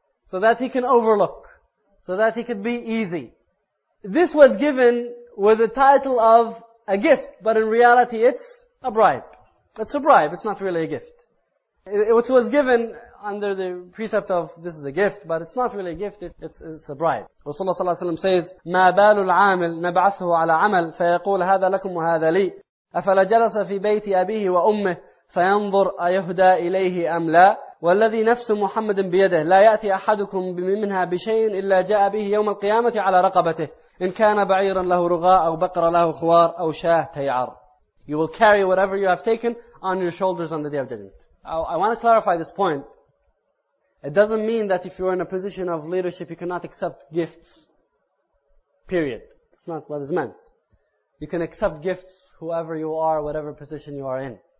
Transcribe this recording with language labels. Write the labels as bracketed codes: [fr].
[en] So that he can overlook. So that he could be easy. This was given with the title of a gift, but in reality it's a bribe. It's a bribe, it's not really a gift. It was given under the precept of this is a gift, but it's not really a gift, it's a bribe. Rasulullah sallallahu alaihi wasallam says, [ar] مَا بَالُ الْعَامِلِ نَبْعَثُهُ عَلَى عَمَلْ فَيَقُولَ هَذَا لَكُمْ وَهَذَا لِي أَفَلَ جَلَسَ فِي بَيْتِ أَبِيهِ وَأُمِّهِ فَيَنْظُرْ أَيَهْدَى إِلَيْهِ أَمْ لَا وَالَّذِي نَفْسُ مُحَمَّدٍ بِيَدِهِ لَا يَأْتِي أَحَدُكُمْ مِنْهَا بِشَيْءٍ إِلَّا جَاءَ بِهِ يَوْمَ الْقِيَامَةِ عَلَى رَقَبَتِهِ إن كان بعيرا له رغاء أو بقرة له خوار أو شاة تيعر. [en] You will carry whatever you have taken on your shoulders on the day of judgment. I want to clarify this point. It doesn't mean that if you are in a position of leadership, you cannot accept gifts. Period. That's not what is meant. You can accept gifts whoever you are, whatever position you are in.